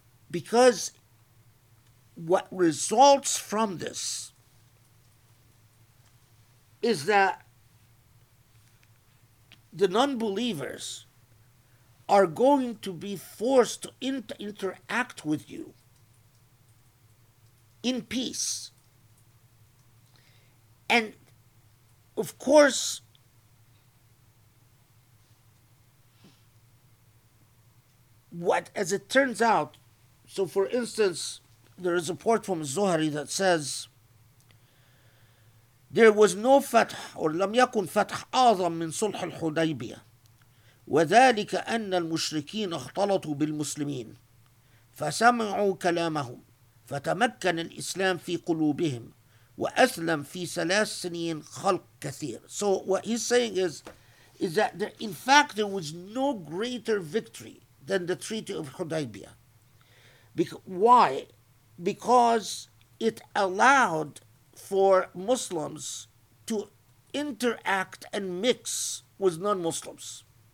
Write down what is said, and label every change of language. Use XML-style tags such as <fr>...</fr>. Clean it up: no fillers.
<en>Because what results from this is that the non-believers are going to be forced to interact with you in peace. And of course, what, as it turns out, so for instance, there is a report from Zuhari that says, there was no fath, or</en> <ar>لم يكن فتح أعظم من صلح الحديبية وذلك أن المشركين اختلطوا بالمسلمين فسمعوا كلامهم فتمكن الإسلام في قلوبهم وأسلم في ثلاث سنين خلق كثير.</ar> <en>So what he's saying is that there, in fact, there was no greater victory than the Treaty of Hudaybiyah. Why? Because it allowed for Muslims to interact and mix with non-Muslims.</en>